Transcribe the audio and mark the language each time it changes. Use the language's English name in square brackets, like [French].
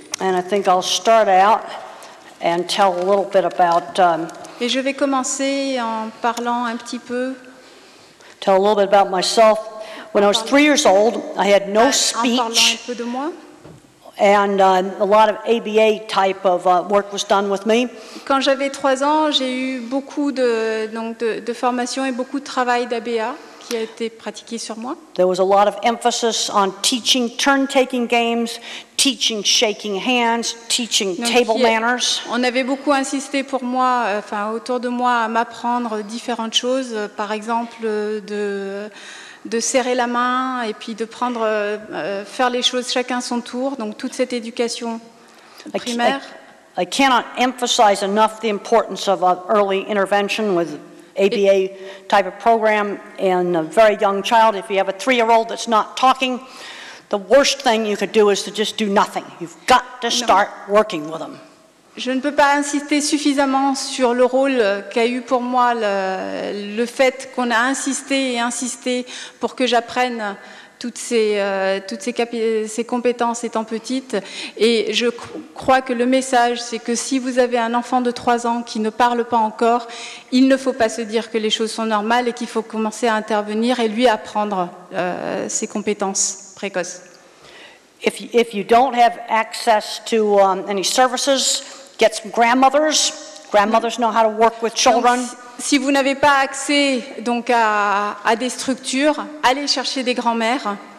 [English] And I think I'll start out and tell a little bit about. [French] Et je vais commencer en parlant un petit peu. [English] Tell a little bit about myself. When I was 3 years old, I had no speech. [French] En parlant un peu de moi. [English] And a lot of ABA type of work was done with me. [French] Quand j'avais 3 ans, j'ai eu beaucoup de formation et beaucoup de travail d'ABA qui a été pratiqué sur moi. [English] There was a lot of emphasis on teaching turn-taking games, teaching shaking hands, teaching table manners. [French] On avait beaucoup insisté pour moi, enfin autour de moi, à m'apprendre différentes choses, par exemple de serrer la main et puis de prendre faire les choses chacun son tour, donc toute cette éducation primaire. [English] I cannot emphasize enough the importance of early intervention with ABA type of program in a very young child. If you have a 3-year-old that's not talking, the worst thing you could do is to just do nothing. You've got to start working with them. [French] Je ne peux pas insister suffisamment sur le rôle qu'a eu pour moi le fait qu'on a insisté et insisté pour que j'apprenne toutes ces compétences étant petites. Et je crois que le message, c'est que si vous avez un enfant de 3 ans qui ne parle pas encore, il ne faut pas se dire que les choses sont normales et qu'il faut commencer à intervenir et lui apprendre ses compétences précoces. [English] If you don't have access to any services, get some grandmothers. Grandmothers know how to work with children. [French] Si vous n'avez pas accès donc à des structures, allez chercher des grand-mères.